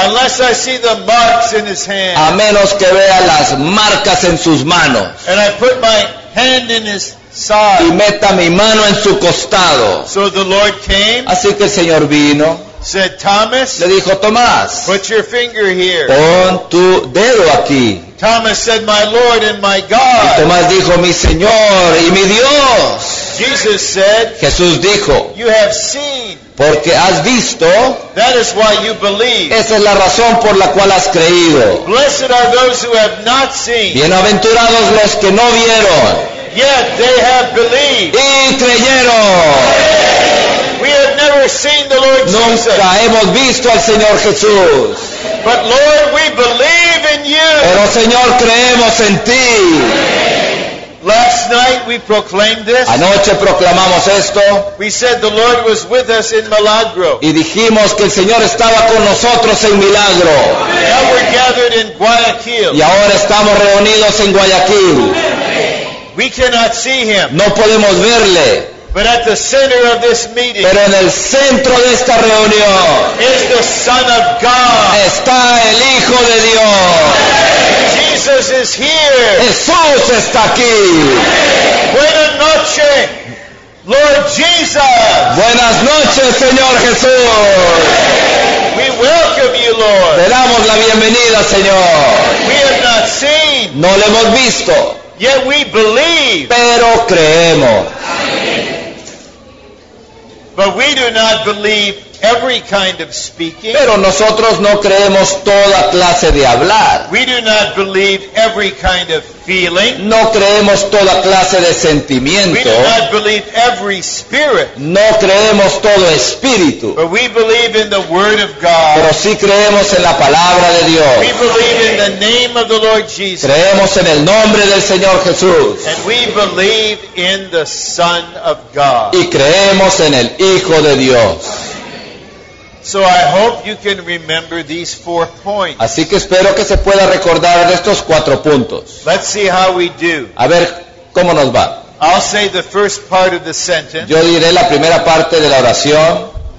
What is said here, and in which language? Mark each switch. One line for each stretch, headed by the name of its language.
English: Unless I see the marks in his hand.
Spanish: A menos que vea las marcas en sus manos.
English: And I put my hand in his side.
Spanish: Y meta mi mano en su costado.
English: So the Lord came.
Spanish: Así que el Señor vino.
English: Said Thomas.
Spanish: Le dijo Tomás.
English: Put your finger here.
Spanish: Pon tu dedo aquí.
English: Thomas said, my Lord and my God.
Spanish: Y Tomás dijo, mi Señor y mi Dios.
English: Jesus said,
Spanish: Jesús dijo,
English: you have seen.
Spanish: Porque has visto.
English: That is why you believe.
Spanish: Esa es la razón por la cual has creído.
English: Blessed are those who have not seen.
Spanish: Bienaventurados los que no vieron.
English: Yet they have believed.
Spanish: Y creyeron.
English: We have never seen the Lord Jesus.
Spanish: Nunca hemos visto al Señor Jesús.
English: But Lord, we believe in you.
Spanish: Pero Señor, creemos en ti.
English: Last night we proclaimed this.
Spanish: Anoche proclamamos esto.
English: We said the Lord was with us in Milagro.
Spanish: Y dijimos que el Señor estaba con nosotros en Milagro.
English: Now we're gathered in Guayaquil.
Spanish: Y ahora estamos reunidos en Guayaquil.
English: We cannot see him.
Spanish: No podemos verle.
English: But at the center of this meeting,
Spanish: pero en el centro de esta reunión,
English: is the Son of God.
Spanish: Está el Hijo de Dios.
English: Jesus is here.
Spanish: Jesús está aquí. Buenas noches,
English: Lord Jesus.
Spanish: Buenas noches, Señor Jesús.
English: We welcome you, Lord.
Spanish: Le damos la bienvenida, Señor.
English: We have not seen.
Spanish: No lo hemos visto.
English: Yet we believe.
Spanish: Pero creemos.
English: But we do not believe every kind of speaking.
Spanish: Pero nosotros no creemos toda clase de hablar.
English: We do not believe every kind of feeling.
Spanish: No creemos toda clase de sentimiento.
English: We do not believe every spirit.
Spanish: No creemos todo espíritu.
English: But we believe in the word of God.
Spanish: Pero sí creemos en la palabra de Dios.
English: We believe in the name of the Lord Jesus.
Spanish: Creemos en el nombre del Señor Jesús.
English: And we believe in the Son of God.
Spanish: Y creemos en el Hijo de Dios.
English: So I hope you can remember these four points.
Spanish: Así que espero que se pueda recordar de estos cuatro puntos.
English: Let's see how we do.
Spanish: A ver cómo nos va.
English: I'll say the first part of the sentence.
Spanish: Yo diré la primera parte de la oración.